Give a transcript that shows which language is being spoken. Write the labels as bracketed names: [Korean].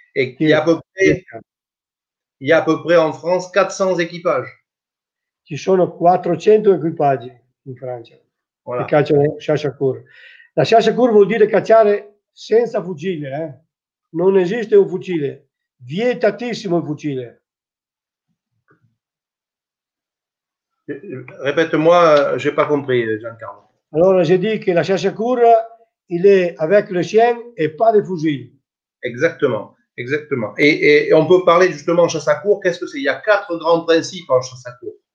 [French] Et il y a à peu près en France 400 équipages. [Italian] Ci sono 400 equipaggi in Francia. Voilà. Che cacciano chasse-à-cour. La chasse-à-cour vuol dire cacciare senza fucile, eh? Non esiste un fucile. Vietatissimo il fucile. [French] Répète-moi, j'ai pas compris, Giancarlo. Allora, j'ai dit che la chasse-à-cour, il est avec le chien et pas de fusil. Exactement, exactement. Et on peut parler justement chasse-à-cour, qu'est-ce que c'est? Il y a quatre grands principes en chasse-à-cour.